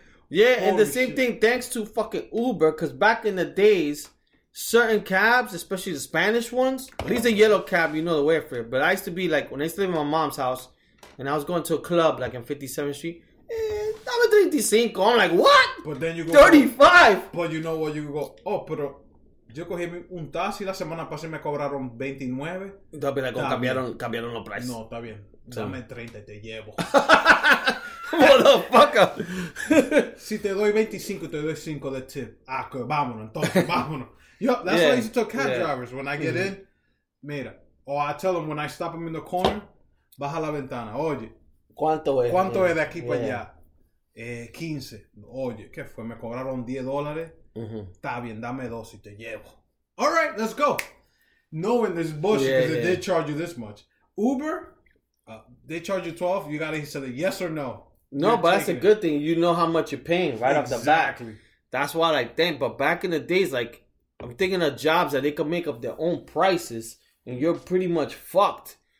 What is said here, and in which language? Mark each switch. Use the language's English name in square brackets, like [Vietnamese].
[English] Yeah, holy and the same shit. Thing, thanks to fucking Uber, because back in the days, certain cabs, especially the Spanish ones, at least the yellow cab, you know the way for it. But I used to be like, when I used to live in my mom's house, and I was going to a club, like in 57th Street, $1.35. I'm like, what? But then you go, 35. But you know what? You go, oh, [Spanish] pero yo cogí un taxi la semana pasada y me cobraron 29. No, pero [English] like, [Spanish] cambiaron los precios. No, está bien. Dame 30 y te llevo. [English] Motherfucker. [Spanish] Si te doy 25, te doy 5 de tip. Ah, que vámonos, entonces, vámonos. [English] Yo, that's yeah. why I used to tell cab drivers when I get in. [Spanish] Mira, [English] or I tell them when I stop them in the corner, [Spanish] baja la ventana. Oye. ¿Cuánto es de aquí para allá? 15. Oye, ¿qué fue? Me cobraron $10. Está bien, dame 2 y te llevo. [English] All right, let's go. Knowing this bullshit because they did charge you this much. Uber, they charge you 12. You got to say yes or no. No, you're but that's a good thing. You know how much you're paying right off the bat. That's what I think. But back in the days, like, I'm thinking of jobs that they could make up their own prices and you're pretty much fucked.